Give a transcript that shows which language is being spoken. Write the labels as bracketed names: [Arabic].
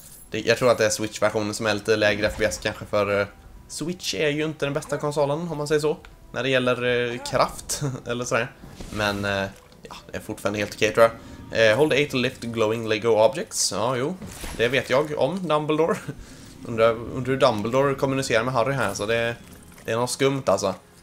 [Swedish] jag tror att det är Switch-versionen som är lite lägre FPS kanske, för Switch är ju inte den bästa konsolen, om man säger så, när det gäller kraft eller sådär. Men det är fortfarande helt okej, tror jag. [English] Hold A to lift glowing Lego objects. [Swedish] Det vet jag om Dumbledore. Undrar hur Dumbledore kommunicerar med Harry här, så det är något skumt alltså.